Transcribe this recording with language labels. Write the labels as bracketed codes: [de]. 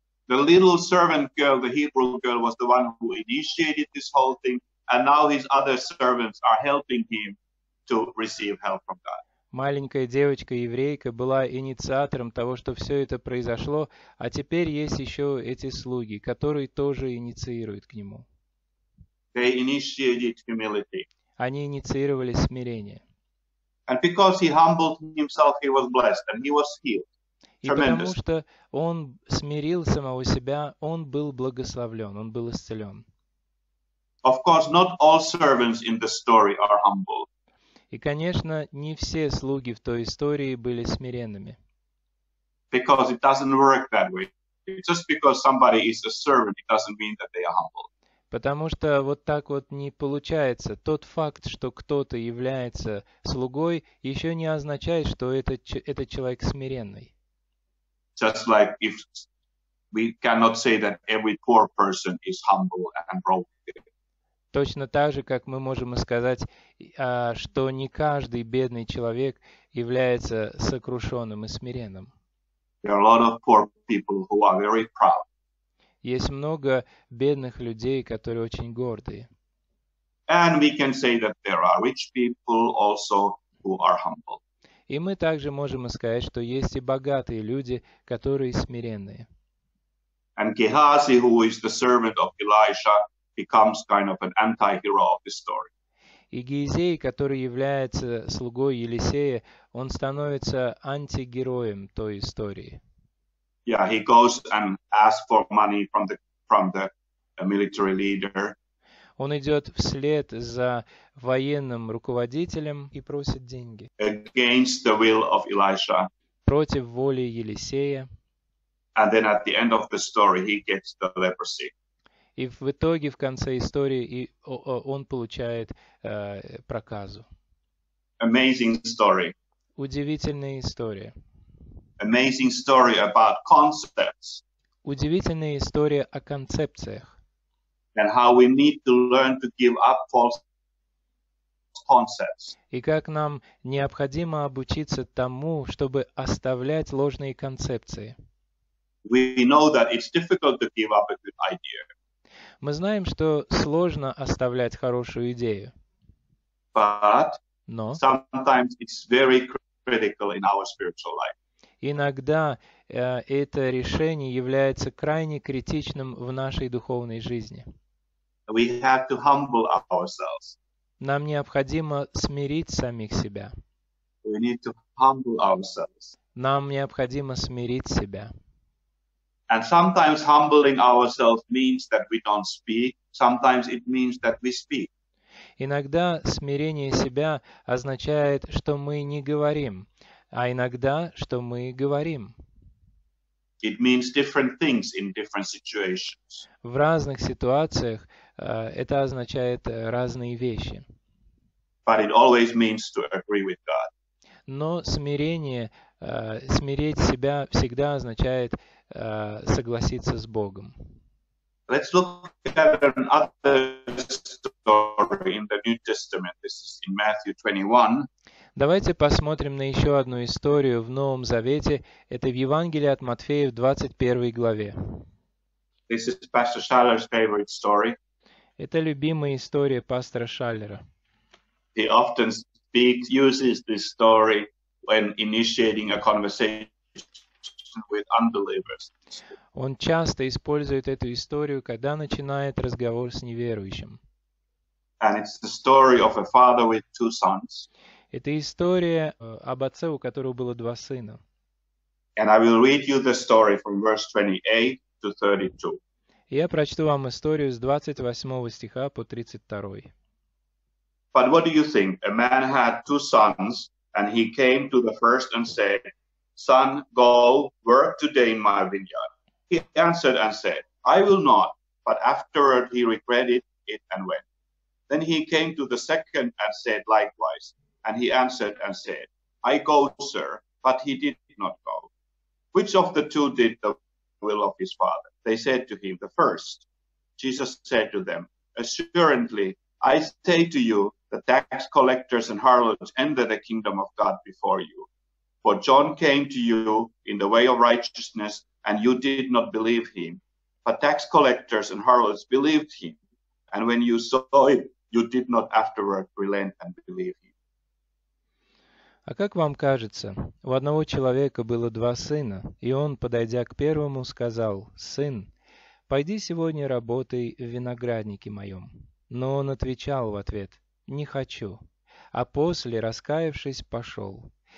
[en] The little servant girl, the Hebrew girl, was the one who initiated this whole thing, and now his other servants are helping him to receive help from God. [ru] Маленькая девочка-еврейка была инициатором того, что все это произошло, а теперь есть еще эти слуги, которые тоже инициируют к нему. [en] They initiated humility. [ru] Они инициировали смирение. [en] And because he humbled himself, he was blessed and he was healed. [ru] И потому что он смирил самого себя, он был благословлен, он был исцелен. [en] Of course, not all servants in the story are humble. [ru] И, конечно, не все слуги в той истории были смиренными. [en] Because it doesn't work that way. Just because somebody is a servant, it doesn't mean that they are humble. [ru] Потому что вот так вот не получается. Тот факт, что кто-то является слугой, еще не означает, что этот человек смиренный. [en] Just like if we cannot say that every poor person is humble and broken. [ru] Точно так же, как мы можем сказать, что не каждый бедный человек является сокрушенным и смиренным. [en] There are a lot of poor people who are very proud. [ru] Есть много бедных людей, которые очень гордые. [en] And we can say that there are rich people also who are humble. [ru] И мы также можем сказать, что есть и богатые люди, которые смиренные. [en] And Gehazi, who is the servant of Elisha, becomes kind of an anti-hero of the story. [ru] И Гиезей, который является слугой Елисея, он становится антигероем той истории. [en] Yeah, he goes and asks for money from the military leader. [ru] Он идет вслед за военным руководителем и просит деньги. [en] Against the will of Elisha. [ru] Против воли Елисея. [en] And then at the end of the story, he gets the leprosy. [ru] И в итоге, в конце истории, он получает проказу. [en] Amazing story. [ru] Удивительная история. [en] Amazing story about concepts. [ru] Удивительная история о концепциях. [en] And how we need to learn to give up false concepts. [ru] И как нам необходимо обучиться тому, чтобы оставлять ложные концепции. [en] We know that it's difficult to give up a good idea. [ru] Мы знаем, что сложно оставлять хорошую идею. [en] But [ru] Но [en] sometimes it's very critical in our spiritual life. [ru] Иногда это решение является крайне критичным в нашей духовной жизни. [en] We have to humble ourselves. [ru] Нам необходимо смирить самих себя. [en] We need to humble ourselves. [ru] Нам необходимо смирить себя. [en] And sometimes humbling ourselves means that we don't speak. Sometimes it means that we speak. [ru] Иногда смирение себя означает, что мы не говорим, а иногда, что мы говорим. [en] It means different things in different situations. [ru] В разных ситуациях это означает разные вещи. [en] But it always means to agree with God. [ru] Но смирение, смирить себя всегда означает согласиться с Богом. [en] Let's look at another story in the New Testament. This is in Matthew 21. [ru] Давайте посмотрим на еще одну историю в Новом Завете. Это в Евангелии от Матфея в 21 главе. [en] This is Pastor Schaller's favorite story. [ru] Это любимая история пастора Шаллера. [en] He often speaks, uses this story when initiating a conversation. With unbelievers. [ru] Он часто использует эту историю, когда начинает разговор с неверующим. [en] And it's the story of a father with two sons. [ru] Это история об отце, у которого было два сына. [en] And I will read you the story from verse 28 to 32. [ru] Я прочту вам историю с 28 стиха по 32. [en] But what do you think? A man had two sons, and he came to the first and said, Son, go, work today in my vineyard. He answered and said, I will not. But afterward he regretted it and went. Then he came to the second and said likewise. And he answered and said, I go, sir. But he did not go. Which of the two did the will of his father? They said to him, the first. Jesus said to them, Assuredly, I say to you, the tax collectors and harlots enter the kingdom of God before you. For John came to you in the way of righteousness, and you did not believe him. But tax collectors and harlots believed him. And when you saw it, you did not afterward relent and believe him. [ru] А как вам кажется, у одного человека было два сына, и он, подойдя к первому, сказал, «Сын, пойди сегодня работай в винограднике моем». Но он отвечал в ответ, «Не хочу». А после, раскаявшись, пошел.